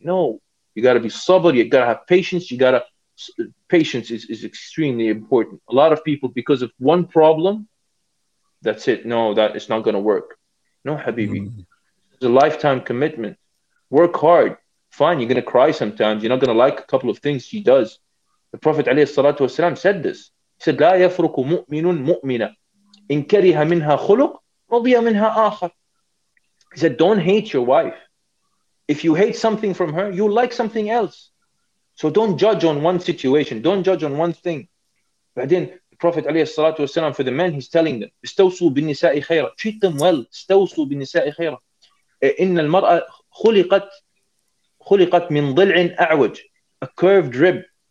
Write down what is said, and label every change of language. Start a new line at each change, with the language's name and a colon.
English: No, you got to be sabr, you got to have patience. Patience is extremely important. A lot of people, because of one problem, that's it. No, that it's not going to work. No, habibi. It's a lifetime commitment. Work hard. Fine, you're going to cry sometimes. You're not going to like a couple of things she does. The Prophet alayhi salatu wasalam said this. He said,
Arabic: لَا يَفْرُقُ مُؤْمِنٌ مُؤْمِنًا إِن كَرِهَ مِنْهَا خُلُقٌ رَضِيَ مِنْهَا آخَرٌ.
English: He said, don't hate your wife. If you hate something from her, you like something else. So don't judge on one situation. Don't judge on one thing. But then the Prophet alayhi salatu wasalam, for the men, he's telling them,
Arabic: استوصوا بالنساء خيرا.
English: Treat them well.
Arabic: استوصوا بالنساء خيرا. إِنَّ الْمَرْأَ خُلِقَتْ مِنْ ضِلْعٍ أعوج.
English: A curved rib.